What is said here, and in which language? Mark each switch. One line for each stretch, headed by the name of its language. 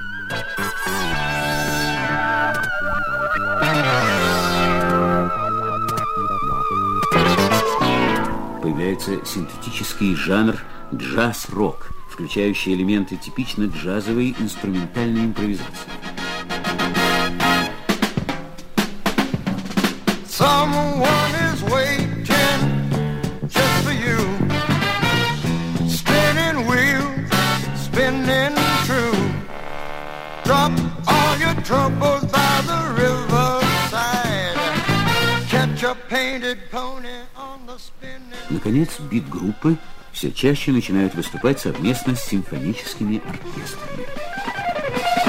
Russian: Да. появляется синтетический жанр джаз-рок, включающий элементы типично джазовой инструментальной импровизации.
English: Someone is waiting just for you. Spinning wheels, spinning true. Drop all your troubles by the riverside. Catch a painted pony on the spinning.
Russian: Наконец, бит группы все чаще начинают выступать совместно с симфоническими оркестрами.